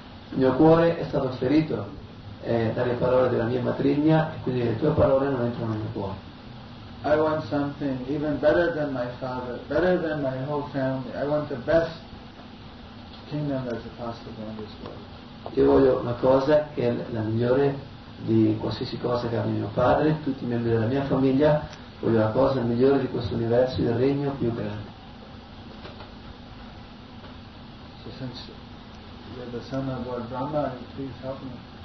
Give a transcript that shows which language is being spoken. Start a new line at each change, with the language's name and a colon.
Italian: Mio cuore è stato ferito dalle parole della mia matrigna, e quindi le tue parole non entrano nel mio cuore.
English: I want something even better than my father, better than my whole family. I want the best kingdom that's possible in this world.
Italian: Io voglio una cosa che è la migliore di qualsiasi cosa che ha mio padre, tutti i membri della mia famiglia. Voglio la cosa migliore di questo universo, il regno più grande.
English: So since you're the son of Lord Brahma, please help me.